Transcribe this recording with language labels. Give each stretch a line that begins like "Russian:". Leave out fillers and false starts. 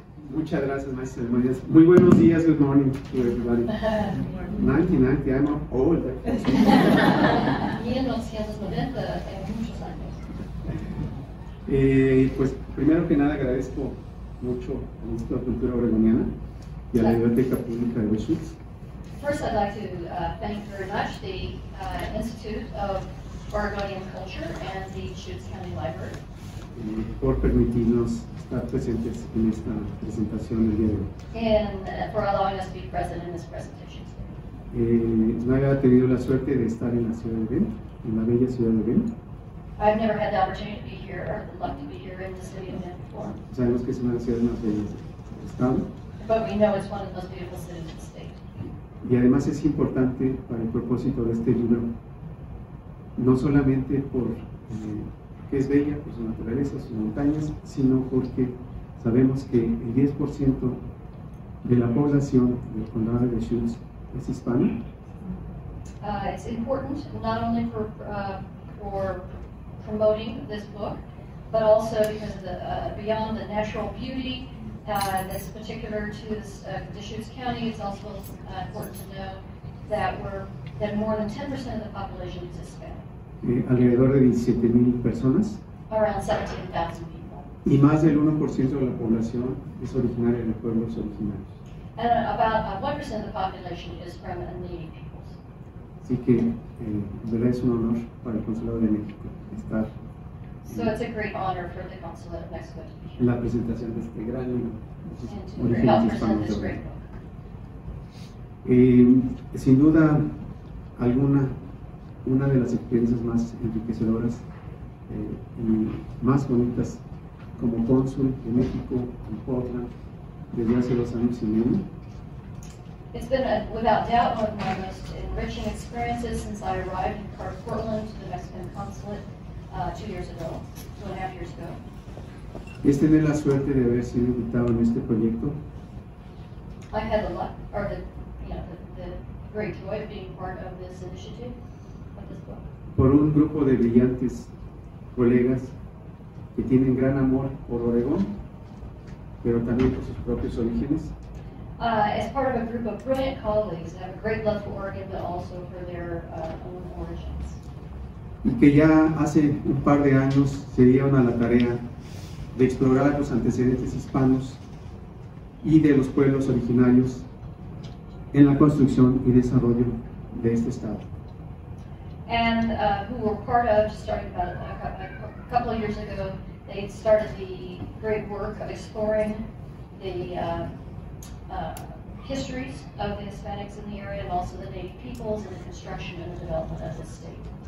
Spanish: Muchas gracias, maestro. Muy buenos días,
English: good morning to everybody. 1990, I'm old.
Spanish: 1990, tengo muchos años. Pues primero que nada agradezco mucho a nuestra cultura oregoniana y a la Biblioteca Pública de Wichita.
English: First, I'd like to thank very much the Institute of Oregonian Culture and the Schutz County Library.
Spanish: Por permitirnos estar presentes en esta presentación del día de hoy.
English: And for allowing us to be present in this presentation
Spanish: today. No había tenido la suerte de estar en la ciudad de Ben, en la bella ciudad de Ben.
English: I've never had the opportunity to be here, or the luck to be here in the city of Ben before.
Spanish: Sabemos que es una de las ciudades más bellas del estado.
English: But we know it's one of the most beautiful cities in the state.
Spanish: Y además es importante para el propósito de este libro, no solamente por que es bella por su naturaleza, sus montañas, sino porque sabemos que el 10% de la población del condado de Schultz es hispana.
English: It's important not only for promoting this book, but also because of the beyond the natural beauty that's particular to this Schultz County, it's also important to know that more than 10% of the population is Hispanic.
Spanish: Alrededor de 17,000 personas.
English: Around 17,000 people.
Spanish: Y más del 1% de la población es originaria de pueblos originarios.
English: And about 1% of the population is from the native peoples.
Spanish: Así que, verdad, es un honor para el Consulado de México estar.
English: So it's a great honor for the Consulate of Mexico to be here.
Spanish: En la presentación de este gran libro. Orígenes hispanos. Sin duda alguna, una de las experiencias más enriquecedoras y más bonitas como cónsul de México en Portland desde hace 2 años y medio.
English: It's been without doubt one of my most enriching experiences since I arrived in Portland to the Mexican consulate 2.5 years ago.
Spanish: Es tener la suerte de haber sido invitado en este proyecto.
English: I had the great joy of being part of this initiative.
Spanish: Por un grupo de brillantes colegas que tienen gran amor por Oregón, pero también por sus propios orígenes.
English: As part of a group of brilliant colleagues that have a great love for Oregon, but also for their own origins.
Spanish: Y que ya hace un par de años se dieron a la tarea de explorar los antecedentes hispanos y de los pueblos originarios en la construcción y desarrollo de este estado.
English: and who were part of, starting about a couple of years ago, they started the great work of exploring the histories of the Hispanics in the area, and also the native peoples and the construction and the development of the state.